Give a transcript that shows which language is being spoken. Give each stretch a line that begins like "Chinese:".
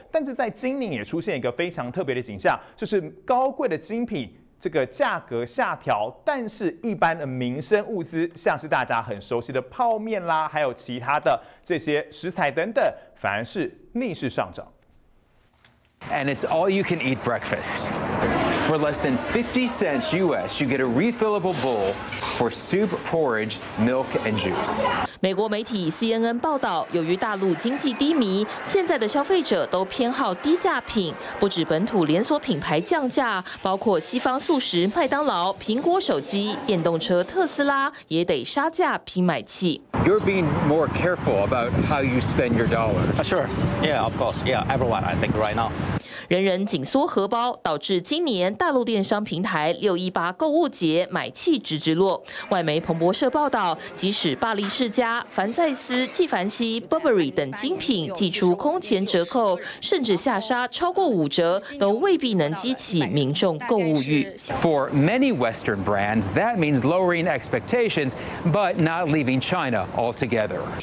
Chinese: 但是在今年也出现一个非常特别的景象，就是高贵的精品这个价格下调，但是一般的民生物资，像是大家很熟悉的泡面啦，还有其他的这些食材等等，反而是逆势上涨。
English: And it's all you can eat breakfast. For less than 50 cents US, you get a refillable bowl for soup, porridge, milk, and juice.
Chinese: 美国媒体 CNN 报道，由于大陆经济低迷，现在的消费者都偏好低价品。不止本土连锁品牌降价，包括西方速食麦当劳、苹果手机、电动车特斯拉也得杀价拼买气。
English: You're being more careful about how you spend your dollars. Sure. Yeah, of course. Yeah, everyone, I think, right now.
Chinese: 人人紧缩荷包，导致今年大陆电商平台618购物节买气直直落。外媒彭博社报道，即使巴黎世家、凡赛斯、纪梵希、Burberry 等精品寄出空前折扣，甚至下杀超过50%，都未必能激起民众购物欲。
English: For many Western brands, that means lowering expectations, but not leaving China altogether.